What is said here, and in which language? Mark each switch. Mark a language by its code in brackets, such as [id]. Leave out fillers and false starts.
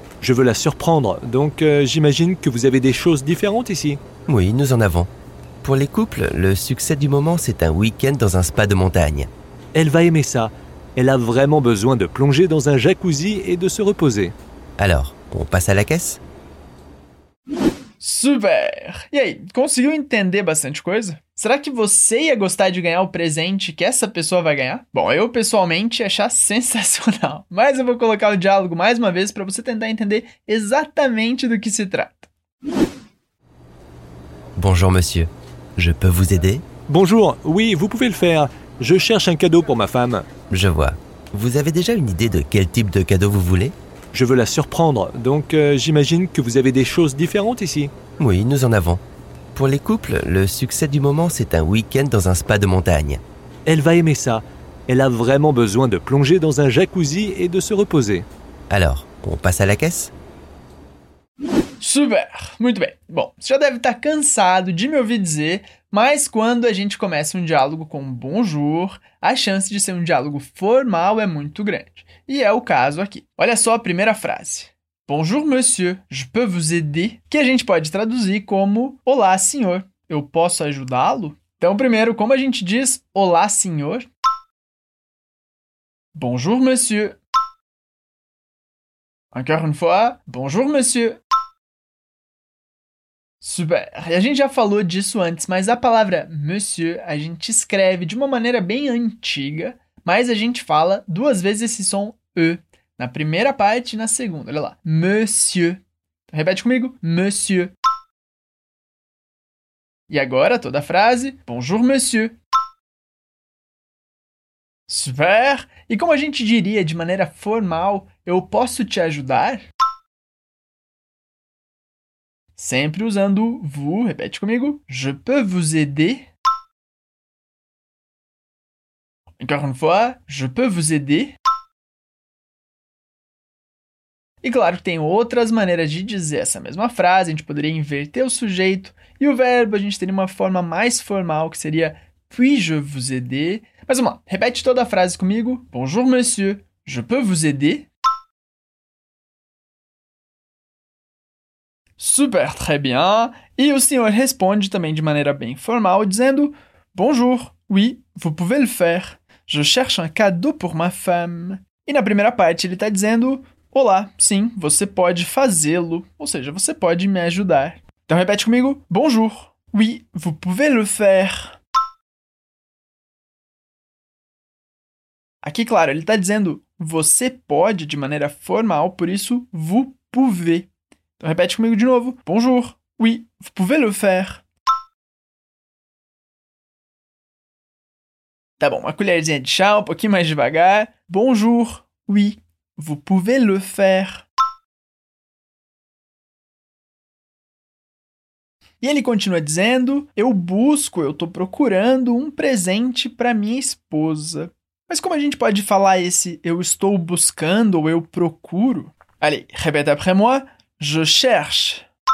[fr] Je veux la surprendre, donc j'imagine que vous avez des choses différentes ici. Oui, nous en avons. Pour les couples, le succès du moment, c'est un week-end dans un spa de montagne. Elle va aimer ça. Elle a vraiment besoin de plonger dans un jacuzzi et de se reposer. Alors, on passe à la caisse? Super! [pt] E aí, conseguiu entender bastante coisa? Será que você ia gostar de ganhar o presente que essa pessoa vai ganhar? Bom, eu pessoalmente ia achar sensacional. Mas eu vou colocar o diálogo mais uma vez para você tentar entender exatamente do que se trata. [fr] Bonjour monsieur, je peux vous aider? Bonjour, oui, vous pouvez le faire. Je cherche un cadeau pour ma femme. Je vois. Vous avez déjà une idée de quel type de cadeau vous voulez? Je veux la surprendre, donc j'imagine que vous avez des choses différentes ici. Oui, nous en avons. Pour les couples, le succès du moment, c'est un week-end dans un spa de montagne. Elle va aimer ça. Elle a vraiment besoin de plonger dans un jacuzzi et de se reposer. Alors, on passe à la caisse? [pt] Super, muito bem. Bom, você já deve estar cansado de me ouvir dizer, mas quando a gente começa um diálogo com bonjour, a chance de ser um diálogo formal é muito grande. E é o caso aqui. Olha só a primeira frase. [fr] Bonjour monsieur, je peux vous aider? [pt] Que a gente pode traduzir como olá senhor, eu posso ajudá-lo? Então primeiro, como a gente diz olá senhor? [fr] Bonjour monsieur. Encore une fois, bonjour monsieur. Super! [pt] E a gente já falou disso antes, mas a palavra monsieur a gente escreve de uma maneira bem antiga, mas a gente fala duas vezes esse som e na primeira parte e na segunda. Olha lá. Monsieur. Repete comigo. Monsieur. E agora toda a frase. [fr] Bonjour, monsieur. Super! [pt] E como a gente diria de maneira formal, eu posso te ajudar? Sempre usando vous, repete comigo. [fr] Je peux vous aider. Encore une fois, je peux vous aider. [pt] E claro que tem outras maneiras de dizer essa mesma frase. A gente poderia inverter o sujeito e o verbo. A gente teria uma forma mais formal, que seria [fr] puis-je vous aider. [pt] Mas vamos lá, repete toda a frase comigo. [fr] Bonjour, monsieur. Je peux vous aider. [pt] Super, [fr] très bien. [pt] E o senhor responde também de maneira bem formal, dizendo [fr] bonjour, oui, vous pouvez le faire. Je cherche un cadeau pour ma femme. [pt] E na primeira parte ele está dizendo Olá, sim, você pode fazê-lo. Ou seja, você pode me ajudar. Então repete comigo. [fr] Bonjour. Oui, vous pouvez le faire. [pt] Aqui, claro, ele está dizendo você pode de maneira formal, por isso, [fr] vous pouvez. [pt] Então repete comigo de novo. [fr] Bonjour. Oui, vous pouvez le faire. [pt] Tá bom, uma colherzinha de chá, um pouquinho mais devagar. [fr] Bonjour. Oui, vous pouvez le faire. [pt] E ele continua dizendo, eu estou procurando um presente para minha esposa. Mas como a gente pode falar esse eu estou buscando ou eu procuro? [fr] Allez, répète après moi. Je cherche.